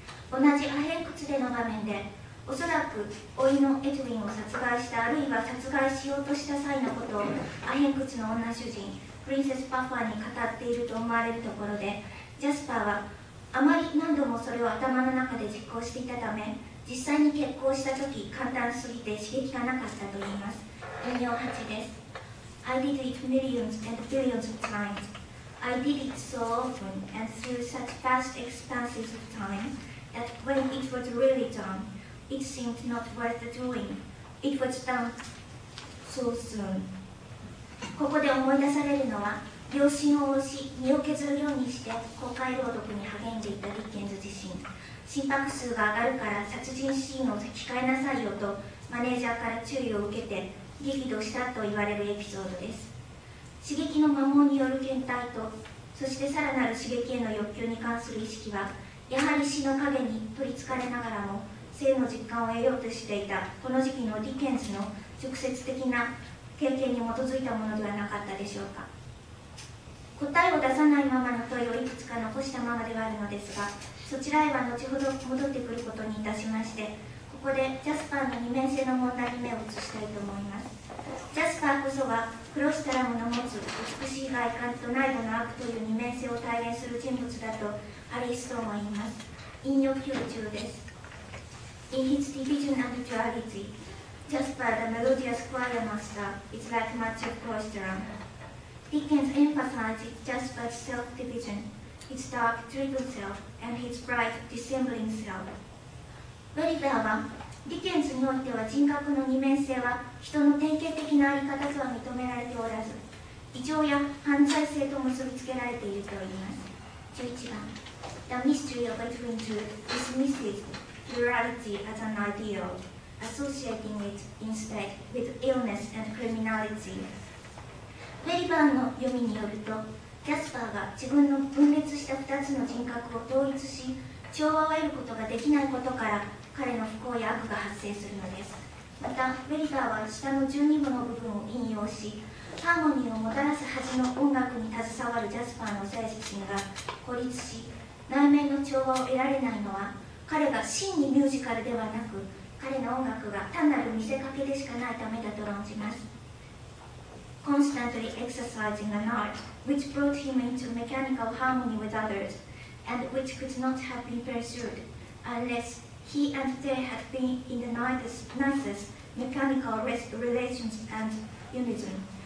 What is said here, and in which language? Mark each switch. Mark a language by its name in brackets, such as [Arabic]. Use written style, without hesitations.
[Japanese] 同じアヘン窟での場面で、おそらく甥のエドウィンを殺害した、あるいは殺害しようとした際のことを、アヘン窟の女主人、プリンセス・パファーに語っていると思われるところで、ジャスパーは、あまり何度もそれを頭の中で実行していたため、実際に決行したとき、簡単すぎて刺激がなかったといいます。引用8です。 [English] I did it millions and billions of times. I did it so often and through such vast expanses of time that when it was really done, it seemed not worth the doing. It was done so soon. [Japanese] ここで思い出されるのは、良心を押し、身を削るようにして公開朗読に励んでいたディッケンズ自身。心拍数が上がるから殺人シーンを控えなさいよとマネージャーから注意を受けて激怒したと言われるエピソードです。刺激の摩耗による倦怠と、そしてさらなる刺激への欲求に関する意識は、やはり死の影に取りつかれながらも、生の実感を得ようとしていた、この時期のディケンズの直接的な経験に基づいたものではなかったでしょうか。答えを出さないままの問いをいくつか残したままではあるのですが、そちらへは後ほど戻ってくることにいたしまして、ここでジャスパーの二面性の問題に目を移したいと思います。ジャスパーこそはクロシタラムの持つ美しい外観と内部の悪という二面性を体現する人物だとハリー・ストーンは言います。引用90です。 [English] In his division and duality, Jasper the melodious choir master is like much of Cloisteram. Dickens emphasizes Jasper's self-division, his dark tribal self, and his bright dissembling self. [Japanese] ベリバーはディケンズにおいては人格の二面性は人の典型的な在り方とは認められておらず、異常や犯罪性と結びつけられているといいます。 11番。 [English] The mystery of a twin truth dismisses plurality as an ideal, associating it instead with illness and criminality. [Japanese] ベリバーの読みによると、キャスパーが自分の分裂した二つの人格を統一し、調和を得ることができないことから、彼の不幸や悪が発生するのです。また、ベリバーは下の12部の部分を引用し、ハーモニーをもたらすはずの音楽に携わるジャスパーの精神が孤立し、内面の調和を得られないのは、彼が真にミュージカルではなく、彼の音楽は単なる見せかけでしかないためだと論じます。 [English] Constantly exercising an art which brought him into mechanical harmony with others and which could not have been pursued unless he and they had been in the nicest mechanical relations and unison.